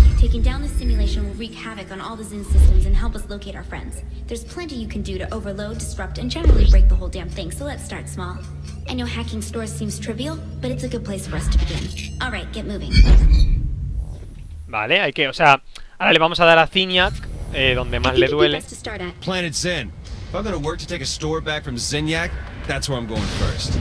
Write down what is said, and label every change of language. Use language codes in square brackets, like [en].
[en] Taking down the simulation will wreak havoc on all the Zin systems and help us locate our friends. There's plenty you can do to overload, disrupt, and generally break the whole damn thing, so let's start small. I know hacking stores seems trivial, but it's a good place for us to begin. All right, get moving. [es] Vale, hay que, o sea, ahora le vamos a dar a Zinyak, donde más le duele. [en] Planet Zin. If I'm gonna work to take a store back from Zinyak, that's where I'm going first.